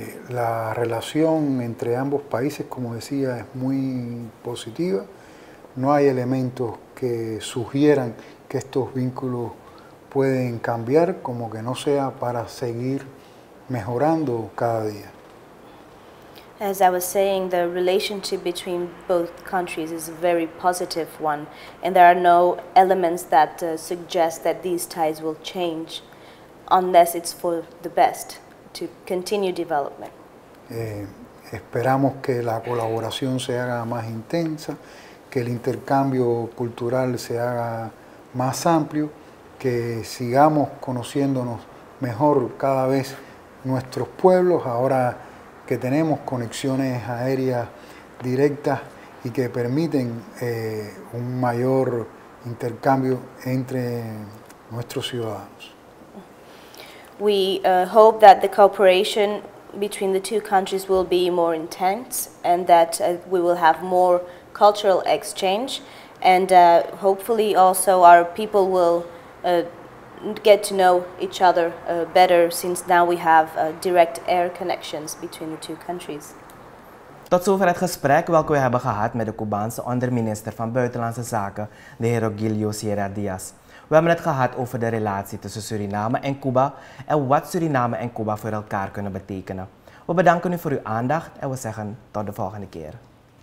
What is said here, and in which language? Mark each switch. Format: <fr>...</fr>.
<es>La relación entre ambos países, como decía, es muy positiva. No hay elementos que sugieran que estos vínculos pueden cambiar, como que no sea para seguir mejorando cada día.</es> <en>As I was saying, the relationship between both countries is a very positive one, and there are no elements that suggest that these ties will change unless it's for the best, to continue development.</en> <es>Esperamos que la colaboración se haga más intensa, que el intercambio cultural se haga más amplio, que sigamos conociéndonos mejor cada vez nuestros pueblos, ahora que tenemos conexiones aéreas directas y que permiten un mayor intercambio entre nuestros ciudadanos.</es> <en>We hope that the cooperation between the two countries will be more intense, and that we will have more cultural exchange, and hopefully also our people will get to know each other better, since now we have direct air connections between the two countries.</en> <nl>Tot zover het gesprek welke we hebben gehad met de Cubaanse onderminister van Buitenlandse Zaken, de heer Rogelio Sierra Diaz. We hebben het gehad over de relatie tussen Suriname en Cuba en wat Suriname en Cuba voor elkaar kunnen betekenen. We bedanken u voor uw aandacht en we zeggen tot de volgende keer.</nl>